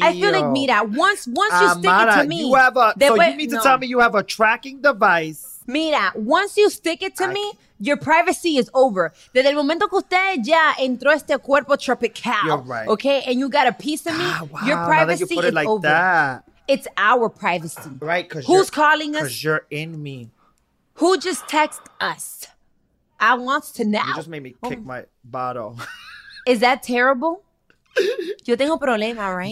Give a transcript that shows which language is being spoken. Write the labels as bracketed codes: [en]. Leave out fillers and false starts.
[en] I feel like, mira, once you stick it to me. Tell me you have a tracking device. Mira, once you stick it to me, your privacy is over. [es] Desde el momento que usted ya entró este cuerpo tropical, [en] you're right. Okay, and you got a piece of me, wow, your privacy now that you put it is like over. That. It's our privacy. Right, because who's calling us? Because you're in me. Who just texted us? I want to know. You just made me kick my bottle. Is that terrible? Yo tengo problema, right?